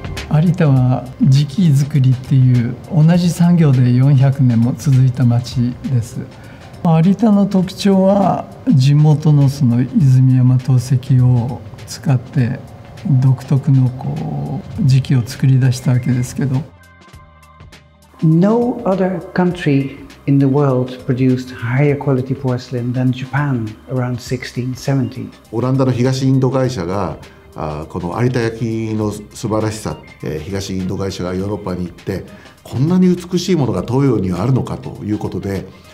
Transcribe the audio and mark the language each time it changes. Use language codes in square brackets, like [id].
[ja] Arita は磁器作りっていう同じ産業で400年も続いた町です。有田の特徴は地元のその泉山陶石を使って独特のこう磁器を作り出したわけですけど。 [en] No other country in the world produced higher quality porcelain than Japan around 1670. [ja] オランダの東インド会社がこの有田焼の素晴らしさ、東インド会社がヨーロッパに行ってこんなに美しいものが東洋にはあるのかということで。